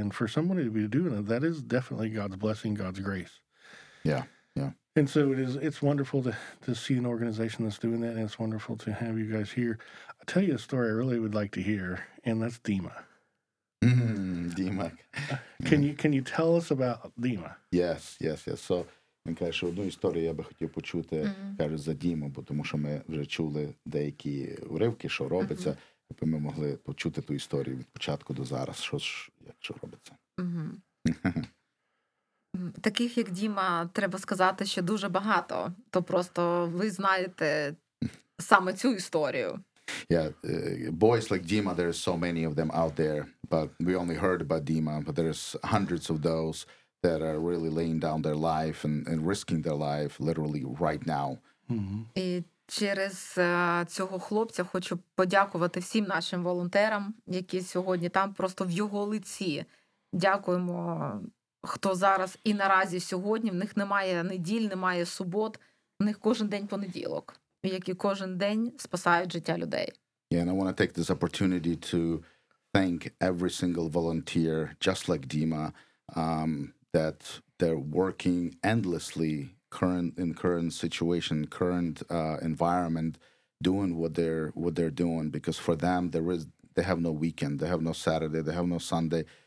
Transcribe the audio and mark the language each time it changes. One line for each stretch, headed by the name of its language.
English: And for somebody to be doing it, that is definitely God's blessing, God's grace. Yeah. Yeah. And so it's wonderful to see an organization that's doing that, and it's wonderful to have you guys here. I'll tell you a story I really would like to hear, and that's Dima. Dima. Can you tell us about Dima? Yes, yes, yes.
Ukrainian: So, він каже, що одну історію я би хотів почути, каже, за Діму, бо тому що ми вже чули деякі уривки, що робиться, аби ми могли почути ту історію від початку до зараз, що робиться. Таких, як Діма, треба сказати, що дуже багато. То просто ви знаєте саме цю історію.
English: Yeah, boys like Dima, there are so many of them out there, but we only heard about Dima, but there's hundreds of those that are really laying down their life and risking their life literally right now. Mm-hmm.
Ukrainian: І через цього хлопця хочу подякувати всім нашим волонтерам, які сьогодні там, просто в його лиці. Дякуємо, хто зараз і наразі сьогодні. В них немає неділь, немає субот, в них кожен день понеділок. Які кожен день спасають життя людей.
English: Yeah, and I want to take this opportunity to thank every single volunteer, just like Dima, that they're working endlessly current environment, doing what they're doing, because for them they have no weekend, they have no Saturday, they have no Sunday.